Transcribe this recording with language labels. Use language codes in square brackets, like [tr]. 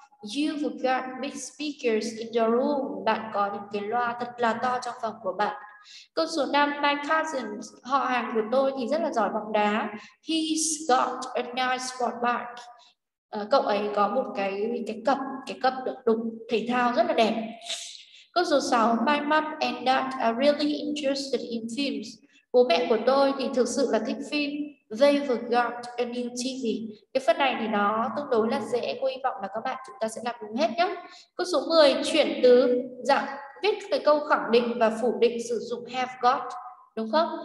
[en] You've got big speakers in your room. [vi] Bạn có những cái loa thật là to trong phòng của bạn. Câu số 5, my cousin, họ hàng của tôi thì rất là giỏi bóng đá. [en] He's got a nice sports bar. [vi] Cậu ấy có một cái cặp được đục thể thao rất là đẹp. Câu số 6, [en] my mom and dad are really interested in films. [vi] Bố mẹ của tôi thì thực sự là thích phim. [en] They've got a new TV. [vi] Cái phần này thì nó tương đối là dễ, cô hy vọng là các bạn chúng ta sẽ làm đúng hết nhé. Câu số 10, chuyển từ dạng viết cái câu khẳng định và phủ định sử dụng have got, đúng không?